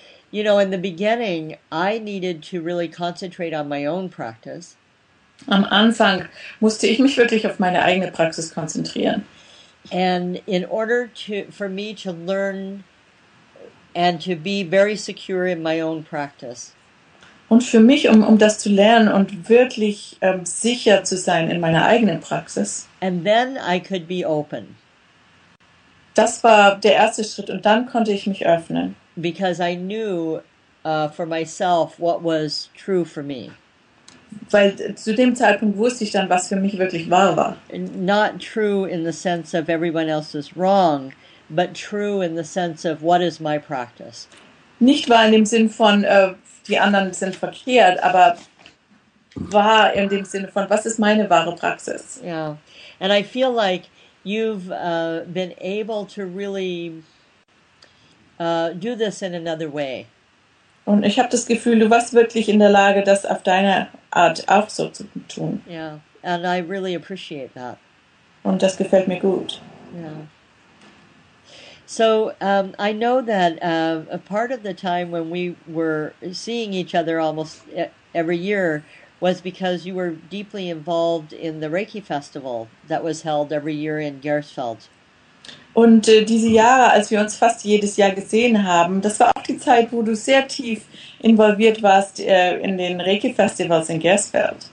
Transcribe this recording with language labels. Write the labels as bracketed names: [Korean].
[English] You know, in the beginning, I needed to really concentrate on my own practice. [German] Am Anfang musste ich mich wirklich auf meine eigene Praxis konzentrieren. [English] And in order for me to learn and to be very secure in my own practice. [German] Und für mich, um das zu lernen und wirklich sicher zu sein in meiner eigenen Praxis. [English] And then I could be open. [German] Das war der erste Schritt und dann konnte ich mich öffnen. [English] Because I knew for myself what was true for me. [German] Weil zu dem Zeitpunkt wusste ich dann, was für mich wirklich wahr war. [English] Not true in the sense of everyone else is wrong, but true in the sense of what is my practice. [German] Nicht wahr in dem Sinn von, die anderen sind verkehrt, aber wahr in dem Sinn von, was ist meine wahre Praxis. [English] Yeah, and I feel like you've been able to really do this in another way. [German] Und ich habe das Gefühl, du warst wirklich in der Lage, das auf deine Art auch so zu tun. [English] Yeah, and I really appreciate that. [German] Und das gefällt mir gut. [English] Yeah. So I know that a part of the time when we were seeing each other almost every year was because you were deeply involved in the Reiki Festival that was held every year in Gersfeld. [German] Und diese Jahre, als wir uns fast jedes Jahr gesehen haben, das war auch die Zeit, wo du sehr tief involviert warst in den Reiki-Festivals in Gersfeld.